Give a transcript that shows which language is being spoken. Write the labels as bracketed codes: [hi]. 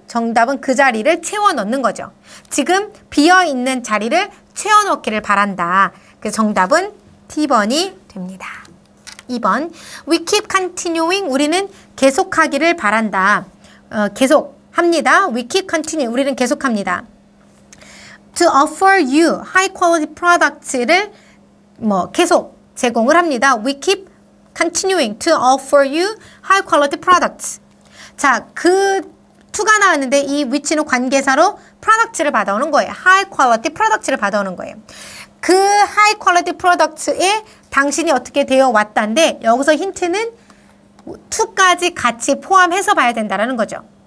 [ko] 정답은 그 자리를 채워넣는 거죠. 지금 비어있는 자리를 채워넣기를 바란다. 그 정답은 D번이 됩니다. [en] 2번 We keep continuing. [ko] 우리는 계속하기를 바란다. 계속합니다. [en] We keep continuing. [ko] 우리는 계속합니다. [en] To offer you high quality products를 [ko] 뭐 계속 제공을 합니다. [en] We keep continuing to offer you high quality products. [ko] 자, 그 to가 나왔는데 이 위치는 관계사로 products를 받아오는 거예요. [en] High quality products [ko] 를 받아오는 거예요. 그 [en] high quality products [ko] 에 당신이 어떻게 되어 왔다인데 여기서 힌트는 to까지 같이 포함해서 봐야 된다는 거죠.